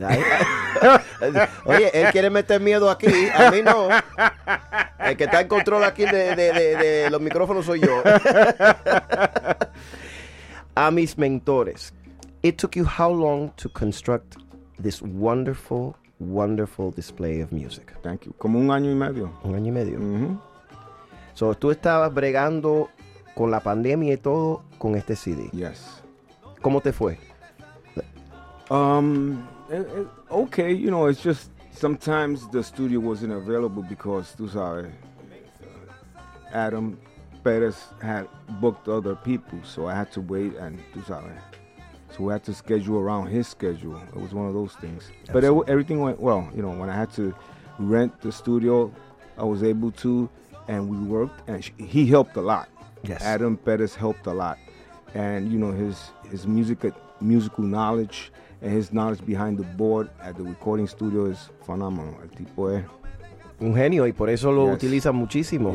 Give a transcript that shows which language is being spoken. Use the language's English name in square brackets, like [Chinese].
[Spanish] Oye, él quiere meter miedo aquí, a mí no. El que está en control aquí de los micrófonos soy yo. A mis mentores. [English] It took you how long to construct this wonderful, wonderful display of music? Thank you. [Spanish] Como un año y medio. Un año y medio. Mm-hmm. So, tú estabas bregando con la pandemia y todo con este CD. [English] Yes. [Spanish] ¿Cómo te fue? [English] Okay, you know, it's just sometimes the studio wasn't available because, [Spanish] tú sabes, [English] Adam Perez had booked other people, so I had to wait and, tú sabes, so we had to schedule around his schedule. It was one of those things. Absolutely. But everything went well, you know, when I had to rent the studio, I was able to, and we worked, and he helped a lot. Yes. Adam Perez helped a lot. And, you know, his musical knowledge and his knowledge behind the board at the recording studio is phenomenal. [Spanish] El tipo es un genio y por eso lo utiliza muchísimo.